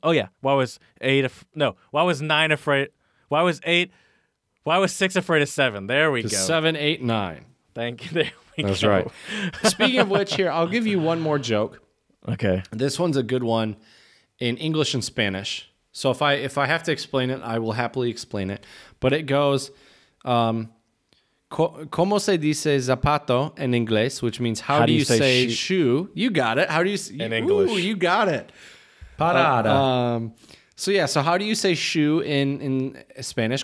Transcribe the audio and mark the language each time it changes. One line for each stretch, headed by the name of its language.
English: Oh, yeah. Why was 9 afraid? Why was 6 afraid of 7? There we go. 7, 8, 9. Thank you. There we go. That's right. Speaking of which, here, I'll give you one more joke. Okay. This one's a good one in English and Spanish. So if I have to explain it, I will happily explain it. But it goes,
Spanish: ¿cómo se dice zapato en inglés?
English: Which means, how do you say shoe? You got it. In English. Ooh, you got it.
Spanish: Parada.
English: So how do you say shoe in Spanish?